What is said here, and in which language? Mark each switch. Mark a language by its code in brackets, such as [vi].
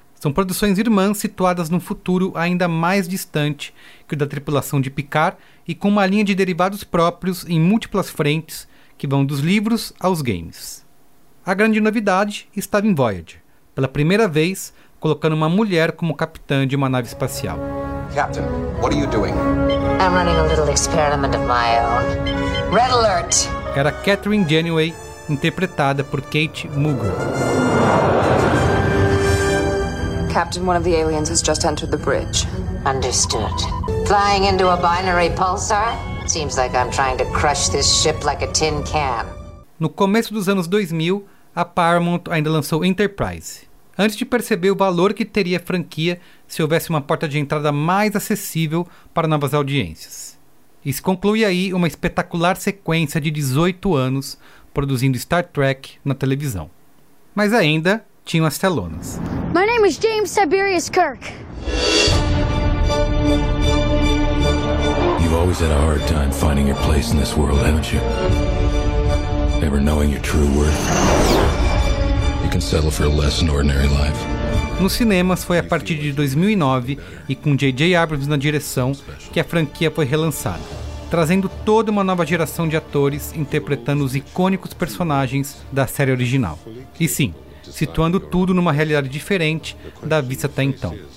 [pt] São produções irmãs situadas num futuro ainda mais distante que o da tripulação de Picard e com uma linha de derivados próprios em múltiplas frentes que vão dos livros aos games. A grande novidade estava em Voyager, pela primeira vez colocando uma mulher como capitã de uma nave espacial. [en] Captain, what are you doing? I'm running a little experiment of my own. Red alert! [pt] Era Catherine Janeway, interpretada por Kate Mulgrew. [en] Captain, Captain, one of the aliens has just entered the bridge. Understood. Flying into a binary pulsar? Seems like I'm trying to crush this ship like a tin can. [pt] No começo dos anos 2000, a Paramount ainda lançou Enterprise. Antes de perceber o valor que teria a franquia se houvesse uma porta de entrada mais acessível para novas audiências. Isso conclui aí uma espetacular sequência de 18 anos produzindo Star Trek na televisão. Mas ainda tinham as telonas. [en] My name is James Tiberius Kirk. You've always had a hard time finding your place in this world, haven't you? Never knowing your true worth. You can settle for a less than ordinary life. [pt] Nos cinemas foi a partir de 2009 e com J.J. Abrams na direção que a franquia foi relançada, trazendo toda uma nova geração de atores interpretando os icônicos personagens da série original. E sim, situando tudo numa realidade diferente da vista até então.